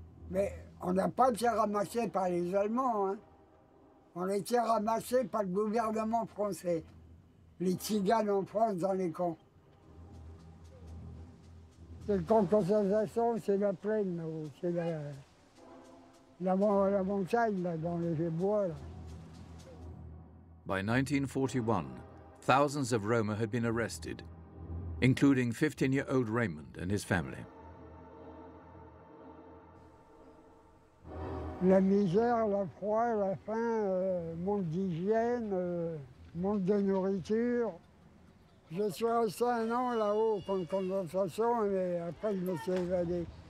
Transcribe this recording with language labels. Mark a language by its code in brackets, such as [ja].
[fr] Mais on n'a pas été ramassés par les Allemands, hein. On a été ramassés par le gouvernement français. Les tziganes en France dans les camps. Le camp de concentration, c'est la plaine, là, c'est la montagne là, dans les bois. Là. [en] By 1941, thousands of Roma had been arrested, including 15-year-old Raymond and his family. [fr] La misère, la froid, la faim, manque d'hygiène, manque de nourriture. Je suis resté un an là-haut, comme condensation, mais après je me suis évadé.